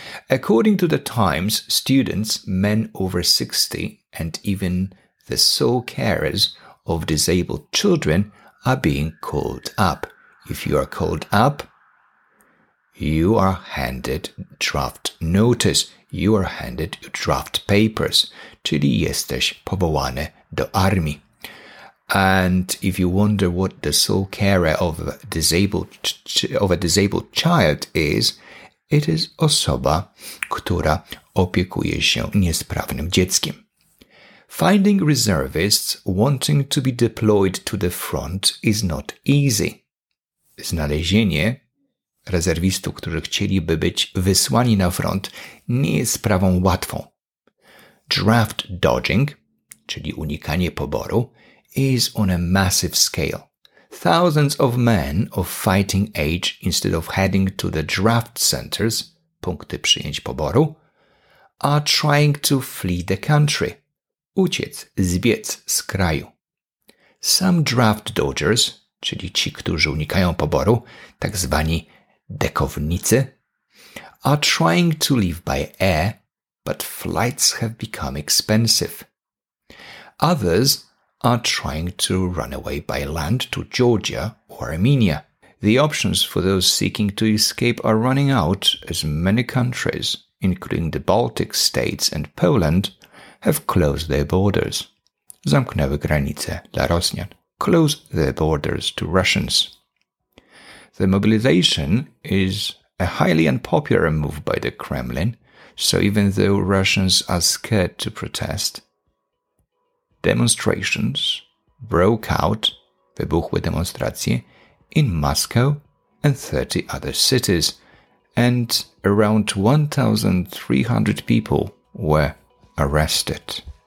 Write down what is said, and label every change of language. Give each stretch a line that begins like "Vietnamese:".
English: According to the Times, students, men over 60, and even the sole carers of disabled children are being called up. If you are called up, you are handed draft notice. You are handed draft papers.
Polish: Czyli jesteś powołany do armii.
English: And if you wonder what the sole carer of a disabled child is, it is
Polish: osoba, która opiekuje się niesprawnym dzieckiem.
English: Finding reservists wanting to be deployed to the front is not easy.
Polish: Znalezienie rezerwistów, którzy chcieliby być wysłani na front, nie jest sprawą łatwą.
English: Draft dodging,
Polish: czyli unikanie poboru,
English: is on a massive scale. Thousands of men of fighting age, instead of heading to the draft centers,
Polish: punkty przyjęć poboru,
English: are trying to flee the country.
Polish: Uciec, zbiec z kraju.
English: Some draft dodgers,
Polish: czyli ci, którzy unikają poboru, tak zwani dekownicy,
English: are trying to leave by air, but flights have become expensive. Others are trying to run away by land to Georgia or Armenia. The options for those seeking to escape are running out, as many countries, including the Baltic states and Poland, have closed their borders.
Polish: Zamknęły granice dla Rosjan.
English: Close their borders to Russians. The mobilization is a highly unpopular move by the Kremlin, so even though Russians are scared to protest, demonstrations broke out,
Polish: wybuchły demonstracje,
English: in Moscow and 30 other cities, and around 1,300 people were arrested.